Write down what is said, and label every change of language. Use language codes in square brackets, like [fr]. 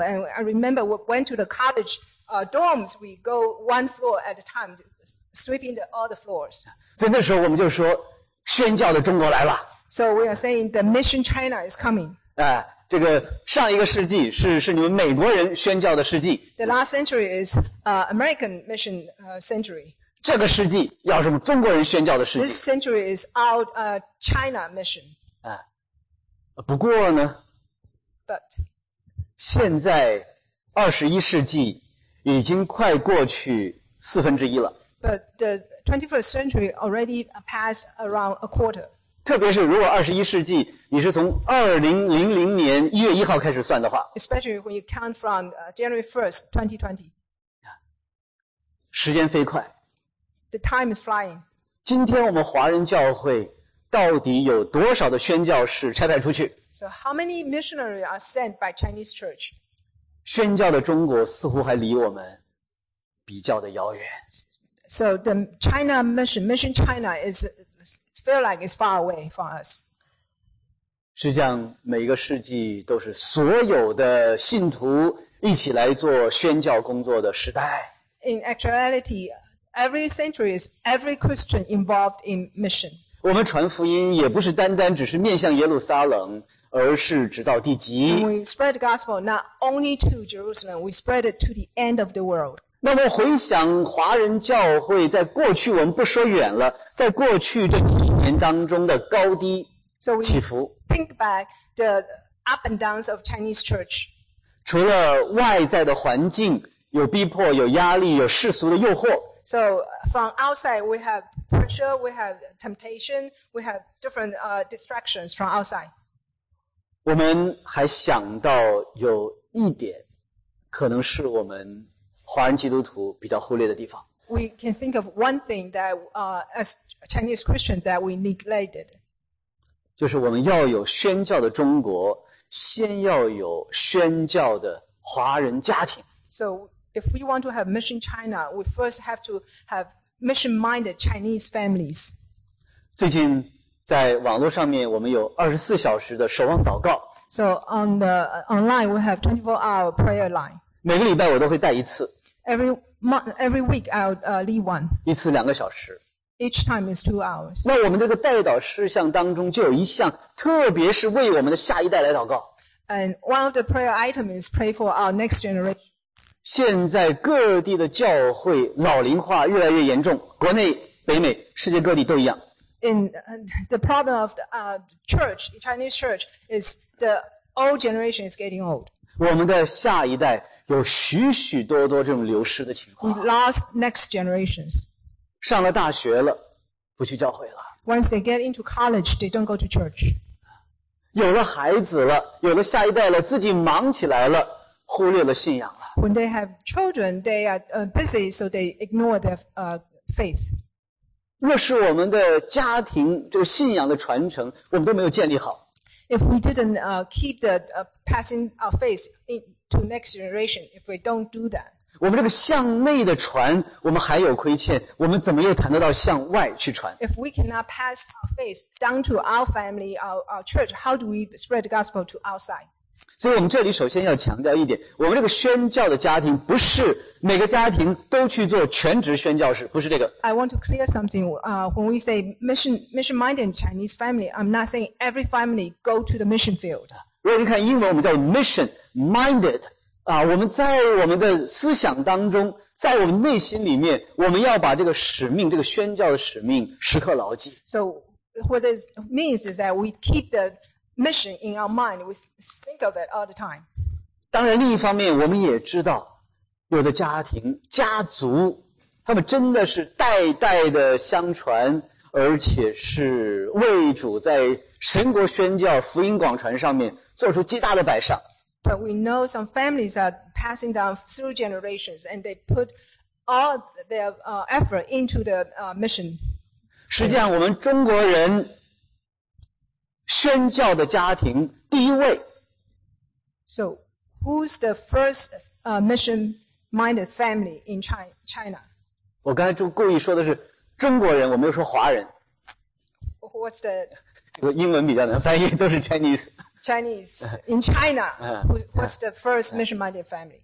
[en] And I remember we went to the college dorms. We go one floor at a time, sweeping all the floors. [zh] 所以那时候我们就说，宣教的中国来了。 [en] So we are saying the mission China is coming. [zh] 这个上一个世纪是你们美国人宣教的世纪。 [en] The last century is American mission century. [zh] 这个世纪要什么？中国人宣教的世纪。 [en] This century is out China mission. [zh] 啊，不过呢 [en] ，But [zh] 现在二十一世纪已经快过去四分之一了。 [en] But the 21st century already passed around a quarter. [zh] 特别是如果二十一世纪你是从2000年一月一号开始算的话 [en] ，Especially when you count from January 1st, 2020. [zh] 时间飞快。 [en] The time is flying. [zh] 今天我们华人教会到底有多少的宣教士差派出去？ [en] So how many missionaries are sent by Chinese church? [zh] 宣教的中国似乎还离我们比较的遥远。 [en] So the China mission China is feel like it's far away from us. [zh] 实际上，每个世纪都是所有的信徒一起来做宣教工作的时代。 [en] In actuality. Every century is every Christian involved in mission. [zh] 我们传福音也不是单单只是面向耶路撒冷，而是直到地极。 [en] We spread the gospel not only to Jerusalem, we spread it to the end of the world. [zh] 那么回想华人教会在过去，我们不说远了，在过去这几年当中的高低起伏。 [en] So we think back the up and downs of Chinese church. [zh] 除了外在的环境有逼迫、有压力、有世俗的诱惑。 [en] So from outside, we have pressure, we have temptation, we have different distractions from outside. [zh] 我们还想到有一点，可能是我们华人基督徒比较忽略的地方。 [en] We can think of one thing that as Chinese Christian that we neglected. [zh] 就是我们要有宣教的中国，先要有宣教的华人家庭。 [en] So. If we want to have mission China, we first have to have mission-minded Chinese families. [zh] 最近在网络上面，我们有24小时的守望祷告。 [en] So on the online, we have 24-hour prayer line. [zh] 每个礼拜我都会带一次。 [en] Every week I'll lead one. [zh] 一次两个小时。 [en] Each time is 2 hours. [zh] 那我们这个代祷事项当中就有一项，特别是为我们的下一代来祷告。 [en] And one of the prayer items is pray for our next generation. [zh] 现在各地的教会老龄化越来越严重，国内、北美、世界各地都一样。 [en] In the problem of the church, Chinese church is the old generation is getting old. [zh] 我们的下一代有许许多多这种流失的情况。 [en] We lost next generations. [zh] 上了大学了，不去教会了。 [en] Once they get into college, they don't go to church. [zh] 有了孩子了，有了下一代了，自己忙起来了，忽略了信仰了。 [en] When they have children, they are busy, so they ignore their faith. [zh] 若是我们的家庭这个信仰的传承我们都没有建立好。 [en] If we didn't keep the passing our faith to next generation, if we don't do that. [zh] 我们这个向内的传我们还有亏欠我们怎么又谈得到向外去传。 [en] If we cannot pass our faith down to our family, our church, how do we spread the gospel to outside? [zh] 所以我们这里首先要强调一点我们这个宣教的家庭不是每个家庭都去做全职宣教士不是这个。 [en] I want to clear something, when we say mission-minded Chinese family, I'm not saying every family go to the mission field. [zh] 如果你看英文我们叫 [en] mission-minded, [zh] 我们在我们的思想当中在我们内心里面我们要把这个使命这个宣教的使命时刻牢记。 [en] So, what this means is that we keep the mission in our mind, we think of it all the time. [zh] 当然另一方面我们也知道有的家庭家族他们真的是代代的相传而且是为主在神国宣教福音广传上面做出极大的摆上。 [en] But we know some families are passing down through generations and they put all their effort into the mission. [zh] 实际上我们中国人宣教的家庭第一位。 [en] So, who's the first mission? Minded family in China. [zh] 我刚才故意说的是中国人，我没有说华人。 [en] What's the? [zh] 英文比较难翻译，都是 Chinese. [en] Chinese in China. What's the first mission-minded family?